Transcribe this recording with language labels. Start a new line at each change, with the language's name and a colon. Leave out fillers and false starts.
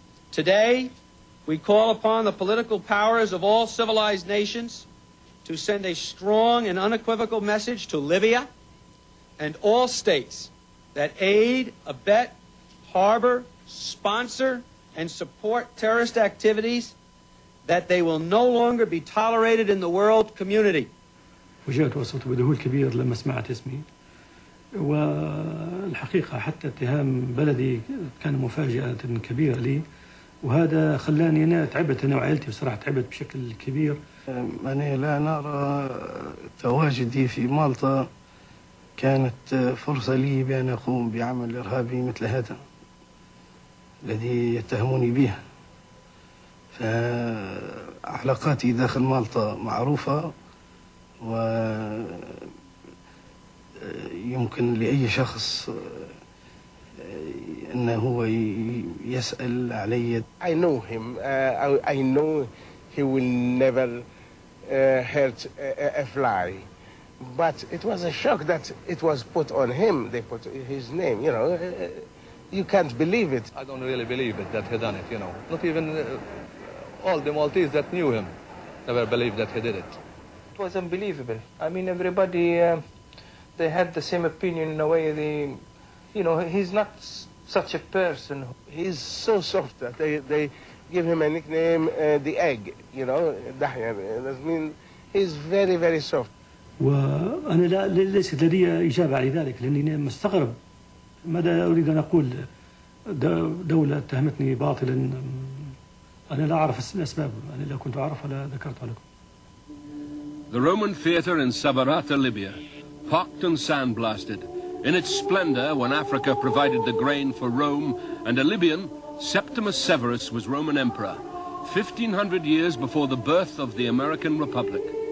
English: Today, we call upon the political powers of all civilized nations to send a strong and unequivocal message to Libya and all states that aid, abet, harbor, sponsor, and support terrorist activities, that they will no longer be tolerated in the world community.
Arabic: وجيت وصلت بذهول كبير لما سمعت اسمي والحقيقة حتى اتهام بلدي كان مفاجأة كبيرة لي وهذا خلاني أنا تعبت أنا وعائلتي بصراحة تعبت بشكل كبير أنا لا نرى تواجدي في مالطا كانت فرصة لي بأن أقوم بعمل إرهابي مثل هذا الذي يتهموني به فعلاقاتي داخل مالطا معروفة ويمكن لأي شخص أنه هو يسأل علي
English: I know him I know he will never hurt a fly but it was a shock that it was put on him they put his name you know you can't believe it I don't really believe it that he done it you know not even all the Maltese that knew him never believed that he did it it was unbelievable I mean everybody they had the same opinion in a way they you know he's not such a person he's so soft that they give him a nickname the egg you know that means he's very very soft
Arabic: وأنا لا ليست لدي إجابة على ذلك لأنني مستغرب ماذا أريد أن أقول دولة اتهمتني باطلا أنا لا أعرف الأسباب أنا لا كنت أعرف ولا ذكرت لكم
English: The Roman theater in Sabarata, Libya, pocked and sandblasted. In its splendor, when Africa provided the grain for Rome and a Libyan, Septimus Severus was Roman emperor, 1500 years before the birth of the American Republic.